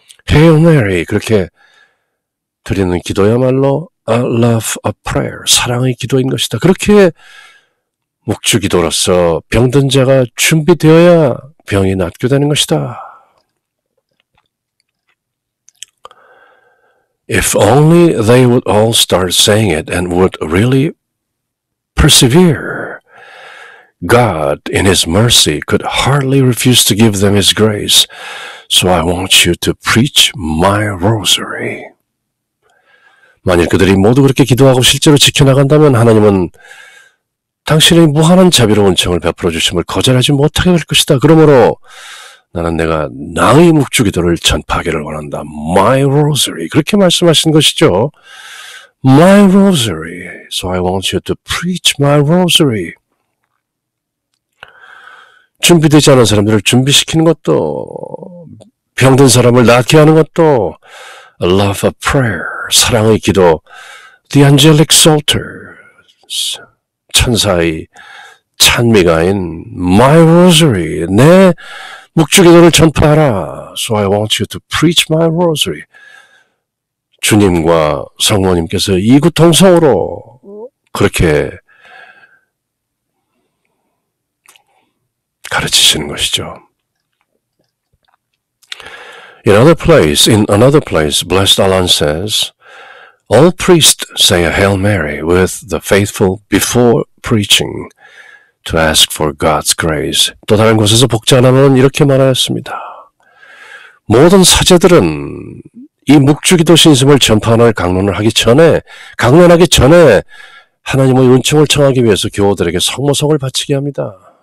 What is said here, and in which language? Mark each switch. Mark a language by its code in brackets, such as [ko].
[ko] Hail Mary 그렇게 드리는 기도야말로 [en] A love of prayer [ko] 사랑의 기도인 것이다. 그렇게 묵주 기도로서 병든 자가 준비되어야 병이 낫게 되는 것이다. [en] If only they would all start saying it and would really persevere, God, in His mercy, could hardly refuse to give them His grace. So I want you to preach my rosary. [ko] 만일 그들이 모두 그렇게 기도하고 실제로 지켜나간다면 하나님은 당신의 무한한 자비로운 은총을 베풀어 주심을 거절하지 못하게 될 것이다. 그러므로 나는 내가 나의 묵주 기도를 전파하기를 원한다. [en] My rosary. [ko] 그렇게 말씀하신 것이죠. [en] My rosary. So I want you to preach my rosary. [ko] 준비되지 않은 사람들을 준비시키는 것도, 병든 사람을 낫게 하는 것도, [en] a love of prayer. [ko] 사랑의 기도. [en] The angelic psalter. [ko] 천사의 찬미가인 [en] my rosary. [ko] 내 묵주 기도를 전파하라. [en] So I want you to preach my rosary. [ko] 주님과 성모님께서 이구동성으로 그렇게 가르치시는 것이죠. [en] In another place, Blessed Alan says, All priests say a Hail Mary with the faithful before preaching. To ask for God's grace. [ko] 또 다른 곳에서 복자나는 이렇게 말하였습니다. 모든 사제들은 이 묵주기도 신심을 전파하는 강론하기 전에 하나님의 은총을 청하기 위해서 교우들에게 성모성을 바치게 합니다.